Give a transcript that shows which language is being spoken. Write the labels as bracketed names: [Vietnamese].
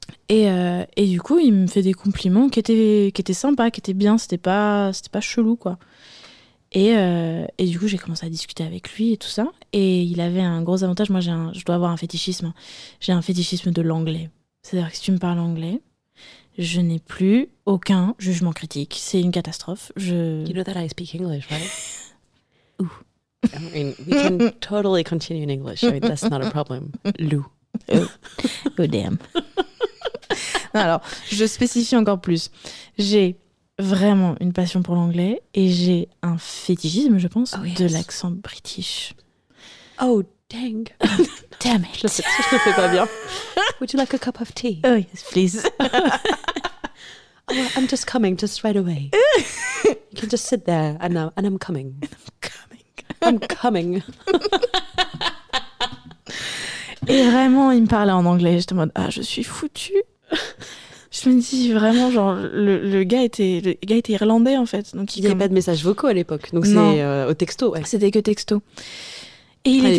[French] Et du coup, il me fait des compliments qui étaient sympas, qui étaient bien, c'était pas chelou, quoi. Et du coup, j'ai commencé à discuter avec lui et tout ça. Et il avait un gros avantage, moi je dois avoir un fétichisme. J'ai un fétichisme de l'anglais. C'est-à-dire que si tu me parles anglais, je n'ai plus aucun jugement critique. C'est une catastrophe. [English] You know that I speak English, right? Ouh. I mean, we can totally continue in English. I mean, that's not a problem. Lou. Oh. Oh, damn. [French] Non, alors, je spécifie encore plus. J'ai vraiment une passion pour l'anglais et j'ai un fétichisme, je pense, [English] oh, yes. [French] De l'accent british. [English] Oh, dang. Damn it. [French] Je le fais pas bien. [English] Would you like a cup of tea? Oh, yes, please. Oh, I'm just coming, just right away. You can just sit there, and I'm coming. I'm coming. [French] Et vraiment, il me parlait en anglais. J'étais en mode, ah, je suis foutue. Je me dis vraiment, genre, le gars était irlandais, en fait. Donc il n'y avait pas de messages vocaux à l'époque, donc non. C'est au texto. Ouais. C'était que texto. Et il à était...